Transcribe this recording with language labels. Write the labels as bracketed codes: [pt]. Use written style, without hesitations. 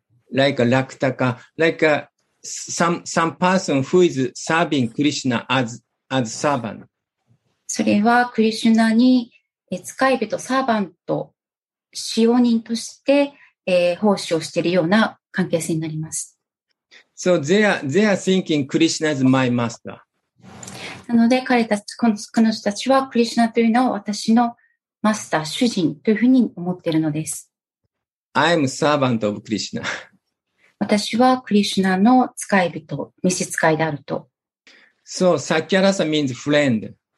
[en] Like a Raktaka, like a some person who is serving Krishna as servant. [ja] それはクリシュナに使い人、サーバント、使用人として、奉仕をしているような関係性になります。 [en] So they are thinking Krishna is my master. [ja] なので彼女たちはクリシュナというのを私のマスター、主人というふうに思っているのです。 [en] I am servant of Krishna. [ja] 私はクリシュナの使い人、召使いであると。 [en] So Sakyarasa means friend.